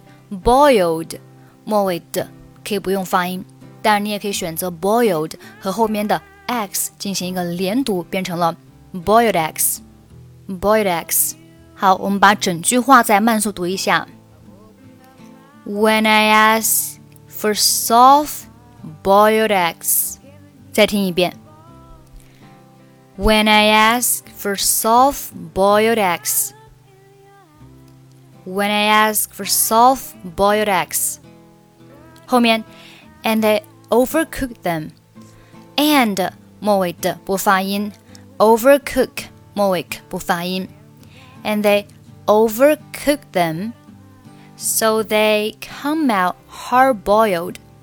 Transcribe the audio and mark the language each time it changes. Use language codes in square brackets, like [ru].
[zh] Boiled 末尾的可以不用发音，但你也可以选择 boiled 和后面的 x 进行一个连读，变成了 [en] boiled eggs, boiled eggs. [zh] 好，我们把整句话再慢速读一下。 [en] When I ask for soft boiled eggs, [zh] 再听一遍。 [en] When I ask for soft boiled eggs. When I ask for soft boiled eggs. [zh] 后面 [en] and I overcook them. [zh] And 末尾的不发音 overcook 末尾不发音 [en] and I overcook them so they come out hard boiled.